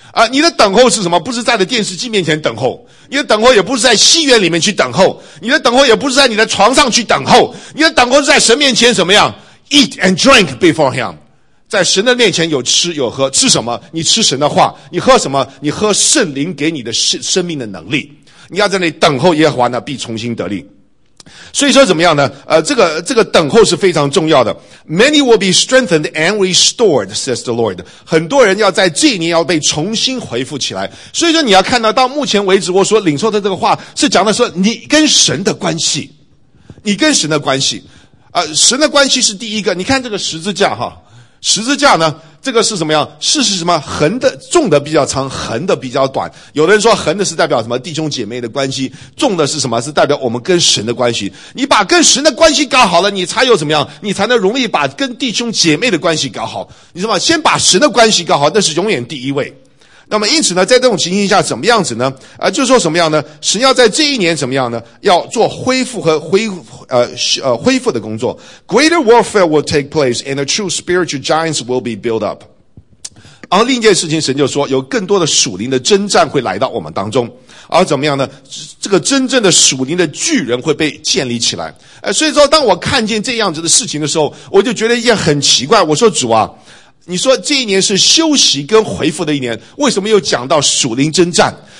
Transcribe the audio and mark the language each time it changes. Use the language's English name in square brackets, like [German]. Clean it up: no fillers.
[Chinese] 你的等候是什么？不是在电视机面前等候，你的等候也不是在戏院里面去等候，你的等候也不是在你的床上去等候，你的等候是在神面前怎么样 [English] eat and drink before him。 [Chinese] 在神的面前有吃有喝，吃什么？你吃神的话。你喝什么？你喝圣灵给你的生命的能力。你要在那里等候耶和华呢，必重新得力。所以说怎么样呢？这个等候是非常重要的。 [English] Many will be strengthened and restored, says the Lord. [Chinese] 很多人要在这一年要被重新恢复起来。所以说你要看到，到目前为止我所领受的这个话是讲的说你跟神的关系，你跟神的关系。神的关系是第一个。你看这个十字架哈。十字架呢，这个是怎么样？是什么？横的纵的比较长，横的比较短。有的人说横的是代表什么？弟兄姐妹的关系。纵的是什么？是代表我们跟神的关系。你把跟神的关系搞好了，你才有怎么样？你才能容易把跟弟兄姐妹的关系搞好。你知道吗？先把神的关系搞好，那是永远第一位。那么因此呢，在这种情形下怎么样子呢？就是说什么样呢？神要在这一年怎么样呢？要做恢复和恢复的工作。 [English] Greater warfare will take place and the true spiritual giants will be built up. [Chinese] 然后另一件事情神就说，有更多的属灵的征战会来到我们当中。而怎么样呢？这个真正的属灵的巨人会被建立起来。所以说当我看见这样子的事情的时候，我就觉得也很奇怪。我说主啊，你说这一年是休息跟恢复的一年，为什么又讲到属灵征战？